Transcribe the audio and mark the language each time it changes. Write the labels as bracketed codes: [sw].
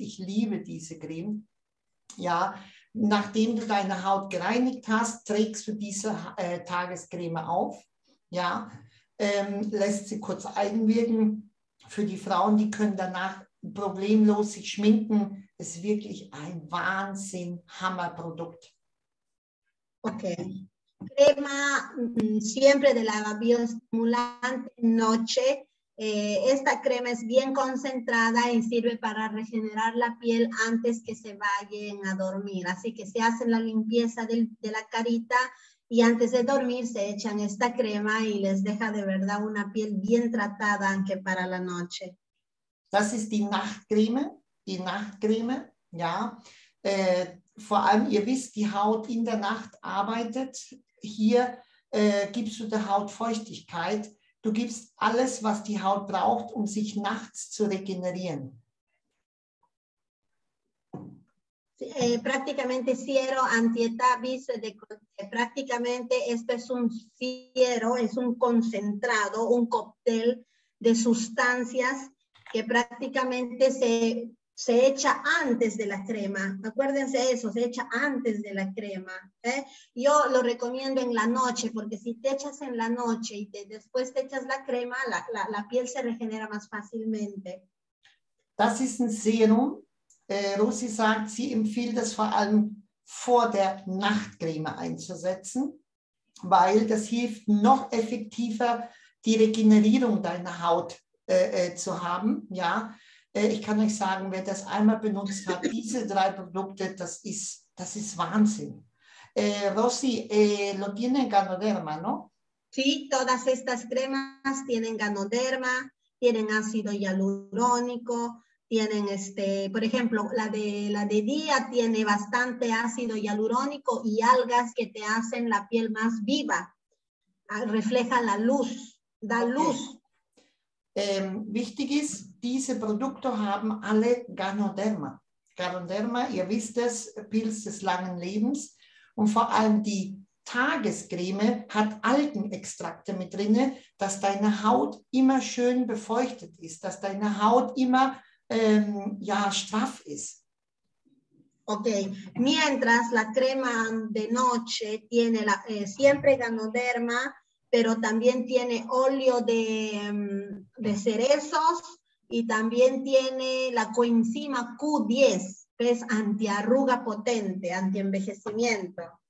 [de] Ich liebe diese Creme. Ja, nachdem du deine Haut gereinigt hast, trägst du diese Tagescreme auf. Ja, lässt sie kurz einwirken. Für die Frauen, die können danach problemlos sich schminken. Es ist wirklich ein Wahnsinn-Hammer-Produkt. Okay. [es] Crema siempre de la bioestimulante noche. Esta crema es bien concentrada y sirve para regenerar la piel antes que se vayan a dormir. Así que se hacen la limpieza de la carita y antes de dormir se echan esta crema y les deja de verdad una piel bien tratada aunque para la noche. [de] Das ist die Nachtcreme, ja. Vor allem, ihr wisst, die Haut in der Nacht arbeitet. Hier gibst du der Haut Feuchtigkeit. Du gibst alles, was die Haut braucht, um sich nachts zu regenerieren. [es] Prácticamente siero antietapis, prácticamente este es un siero, es un concentrado, un cóctel de sustancias que prácticamente se echa antes de la crema. Acuérdense eso, se echa antes de la crema. Yo lo recomiendo en la noche, porque si te echas en la noche y después te echas la crema, la piel se regenera más fácilmente. [de] Das ist ein Serum. Rosi sagt, sie empfiehlt es vor allem vor der Nachtcreme einzusetzen, weil das hilft noch effektiver, die Regenerierung deiner Haut zu haben. Ja. Ich kann euch sagen, wer das einmal benutzt hat, diese drei Produkte, das ist Wahnsinn. [es] Rosi, lo tiene Ganoderma, no? Sí, todas estas cremas tienen Ganoderma, tienen ácido hialurónico, tienen por ejemplo, la de día tiene bastante ácido hialurónico y algas que te hacen la piel más viva. Refleja la luz, da okay. Luz. [de] Wichtig ist, diese Produkte haben alle Ganoderma. Ganoderma, ihr wisst es, Pilz des langen Lebens. Und vor allem die Tagescreme hat Algenextrakte mit drin, dass deine Haut immer schön befeuchtet ist, dass deine Haut immer straff ist. [es] Okay, mientras la crema de noche tiene siempre Ganoderma, pero también tiene óleo de cerezos y también tiene la coenzima Q10, que es antiarruga potente, antienvejecimiento.